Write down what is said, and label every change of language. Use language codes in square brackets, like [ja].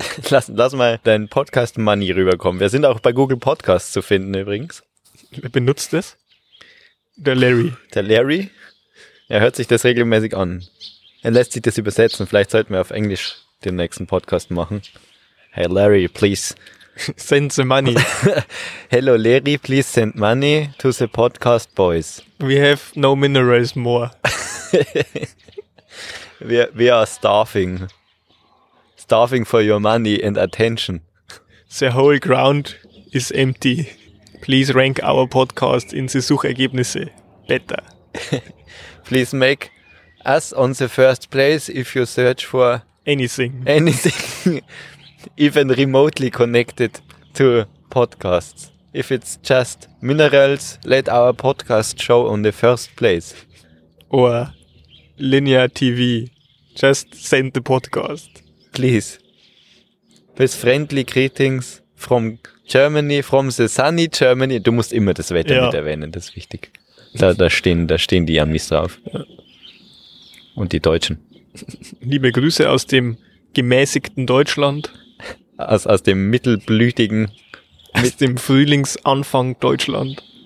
[de] lass mal dein Podcast-Money rüberkommen. Wir sind auch bei Google Podcasts zu finden übrigens. Wer benutzt das? Der Larry. Der Larry? Er hört sich das regelmäßig an. Er lässt sich das übersetzen. Vielleicht sollten wir auf Englisch den nächsten Podcast machen. [en] Hey Larry, please. Send the money. Hello Larry, please send money to the podcast boys. We have no minerals more. We are starving. Starving for your money and attention. The whole ground is empty. Please rank our podcast in the Suchergebnisse better. Please make us on the first place if you search for anything even remotely connected to podcasts. If it's just minerals, let our podcast show on the first place. Or linear TV. Just send the podcast. Please. With friendly greetings from Germany, from the sunny Germany. [de] Du musst immer das Wetter mit erwähnen, das ist wichtig. Da stehen die Amis drauf. Ja. Und die Deutschen. Liebe Grüße aus dem gemäßigten Deutschland. Aus dem mittelblütigen. Aus dem Frühlingsanfang Deutschland.